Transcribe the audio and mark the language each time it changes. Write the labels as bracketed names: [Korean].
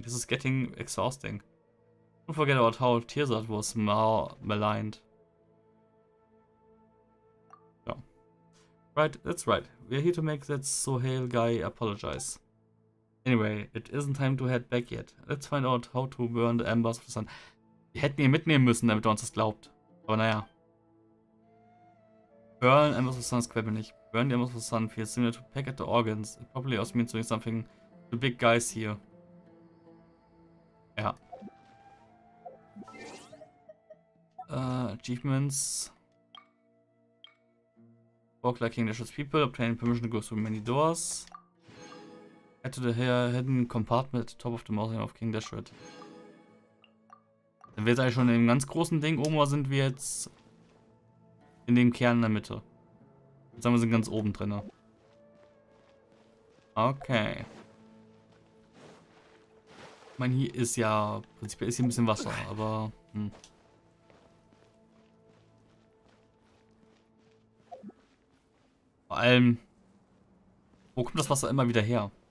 [English] This is getting exhausting. Don't forget about how Tirzad was maligned. Right, that's right. We're here to make that Sohail guy apologize. Anyway, it isn't time to head back yet. Let's find out how to burn the embers of the sun. [German] Wir hätten ihn mitnehmen müssen, damit er uns das glaubt. Aber naja. [English] Burn embers of the sun [German] ist quäbel nicht. [English] Burn the embers of the sun feels similar to peck at the organs. It probably also means doing something to the big guys here. [German] Ja. [English] Achievements. Walk like King Dashiell's people, obtain permission to go through many doors. Head to the hidden compartment at the top of the mountain of King Dashiell. [German] Dann wären wir eigentlich schon in dem ganz großen Ding oben, oder sind wir jetzt in dem Kern in der Mitte? Jetzt haben wir sind ganz oben drin. Okay. Ich meine, hier ist ja, prinzipiell ist hier ein bisschen Wasser, aber vor allem, wo kommt das Wasser immer wieder her?